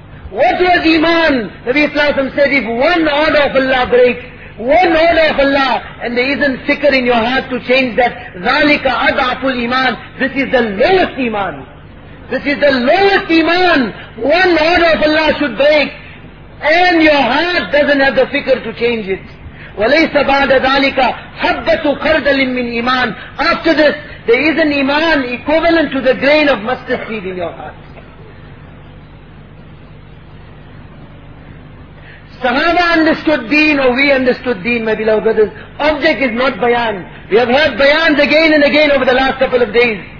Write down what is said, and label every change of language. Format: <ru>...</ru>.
<en>What was iman? Nabi Islam said, if one order of Allah breaks, one order of Allah, and there isn't fikr in your heart to change that.</en> <ar>ذَلِكَ أَضْعَفُ الْإِيمَانِ</ar> <en>This is the lowest iman. This is the lowest iman one order of Allah should break. And your heart doesn't have the fikr to change it.</en> <ar>وَلَيْسَ بَعْدَ ذَلِكَ حَبَّةُ خَرْدَلٍ مِّنْ iman.</ar> <en>After this, there is an iman equivalent to the grain of mustard seed in your heart. Sahaba understood deen, or we understood deen, my beloved brothers. Object is not bayan. We have heard bayans again and again over the last couple of days.</en>